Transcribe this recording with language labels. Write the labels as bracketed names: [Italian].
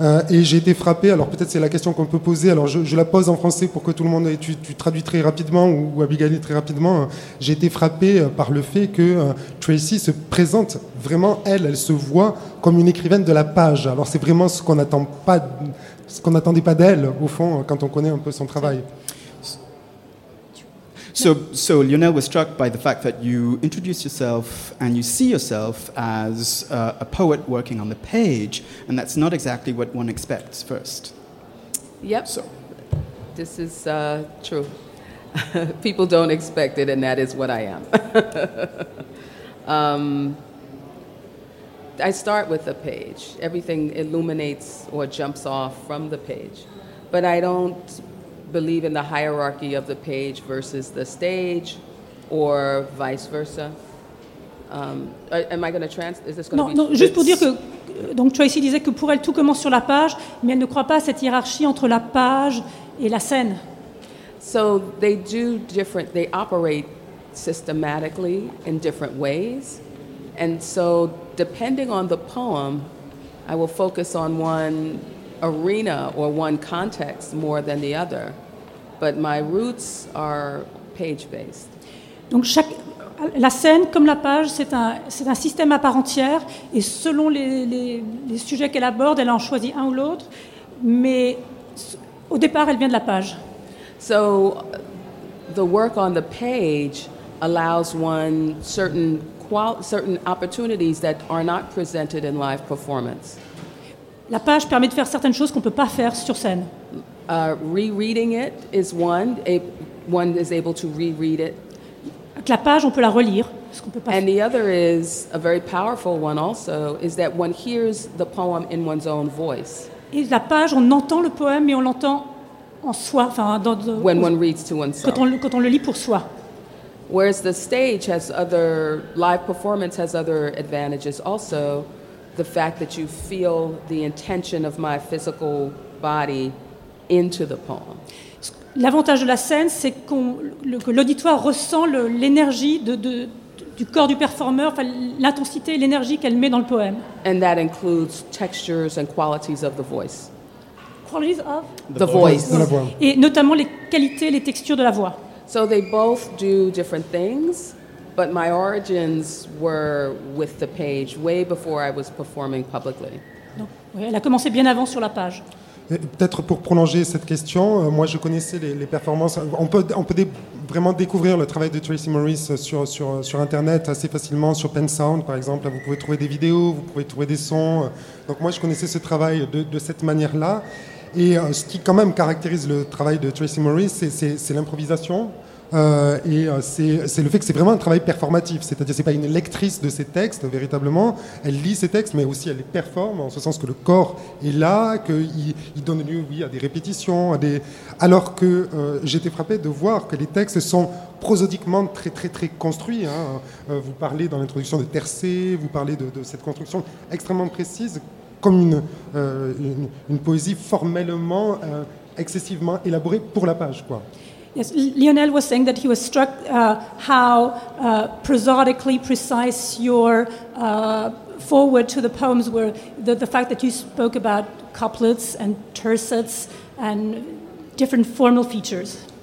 [French] Et j'ai été frappé, alors peut-être c'est la question qu'on peut poser, alors je la pose en français pour que tout le monde, tu traduis très rapidement ou Abigail très rapidement. J'ai été frappé par le fait que Tracy se présente vraiment, elle se voit comme une écrivaine de la page. Alors c'est vraiment ce qu'on n'attendait pas d'elle au fond quand on connaît un peu son travail. [English] So Lionel was struck by the fact that you introduce yourself and you see yourself as a poet working on the page, and that's not exactly what one expects first. Yep. So. This is true. People don't expect it, and that is what I am. I start with a page. Everything illuminates or jumps off from the page. But I don't believe in the hierarchy of the page versus the stage or vice versa. Am I going to translate? Is this going to be... [French] No, juste pour dire que donc Tracy disait que pour elle, tout commence sur la page, mais elle ne croit pas à cette hiérarchie entre la page et la scène. [English] So they do different, they operate systematically in different ways. And so depending on the poem, I will focus on one arena or one context more than the other. But my roots are page-based. [French] Donc chaque, la scène comme la page, c'est un système à part entière. Et selon les sujets qu'elle aborde, elle en choisit un ou l'autre. Mais au départ, elle vient de la page. [English] So the work on the page allows one certain opportunities that are not presented in live performance. [French] La page permet de faire certaines choses qu'on peut pas faire sur scène. [English] Rereading it is one. One is able to reread it. [French] Avec la page, on peut la relire, ce qu'on peut pas. [English] And the other is a very powerful one also, is that one hears the poem in one's own voice. [French] Et la page, on entend le poème mais on l'entend en soi, enfin dans de, [English] when one reads to oneself. [French] Quand on le lit pour soi. [English] Whereas the stage has other, live performance has other advantages also, the fact that you feel the intention of my physical body into the poem. [French] L'avantage de la scène, c'est que l'auditoire ressent l'énergie du corps du performeur, enfin l'intensité, l'énergie qu'elle met dans le poème. [English] And that includes textures and qualities of the voice. Qualities of? The voice. [French] Et notamment les qualités, les textures de la voix. [English] So they both do different things, but my origins were with the page way before I was performing publicly. [French] Oui, elle a commencé bien avant sur la page. Et peut-être pour prolonger cette question, moi je connaissais les performances. On peut vraiment découvrir le travail de Tracy Morris sur Internet assez facilement, sur Pensound par exemple. Vous pouvez trouver des vidéos, vous pouvez trouver des sons. Donc moi je connaissais ce travail de cette manière-là. Et ce qui quand même caractérise le travail de Tracy Morris, c'est l'improvisation et c'est le fait que c'est vraiment un travail performatif. C'est-à-dire, c'est pas une lectrice de ses textes véritablement. Elle lit ses textes, mais aussi elle les performe, en ce sens que le corps est là, qu'il donne lieu, oui, à des répétitions. Alors que j'étais frappé de voir que les textes sont prosodiquement très très très construits. Hein. Vous parlez dans l'introduction de tercets, vous parlez de cette construction extrêmement précise. Comme une poésie formellement excessivement élaborée pour la page, quoi. [English] Yes, Lionel was saying that he was struck how prosodically precise your foreword to the poems were. The fact that you spoke about couplets and tercets and different formal features.